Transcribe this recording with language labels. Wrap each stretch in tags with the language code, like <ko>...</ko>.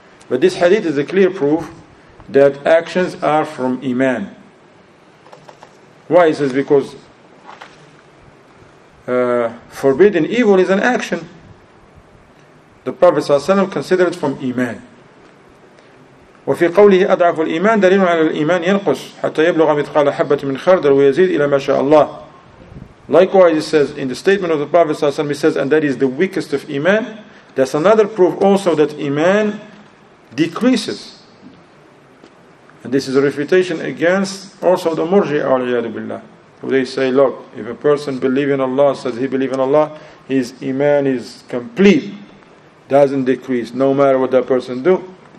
<en>But this hadith is a clear proof that actions are from iman. Why? It says because forbidden evil is an action. The Prophet ﷺ considered it from iman.</en> <ar>وفي قوله أضعف الإيمان دليل على الإيمان ينقص حتى يبلغ مثقال حبة من خردل ويزيد إلى ما شاء الله.</ar> <en>Likewise, it says in the statement of the Prophet ﷺ, he says, and that is the weakest of iman. That's another proof also that iman decreases. And this is a refutation against also the Murji, al-iyadu billah, who they say, look, if a person believes in Allah, says he believes in Allah, his iman is complete, doesn't decrease, no matter what that person do.</en>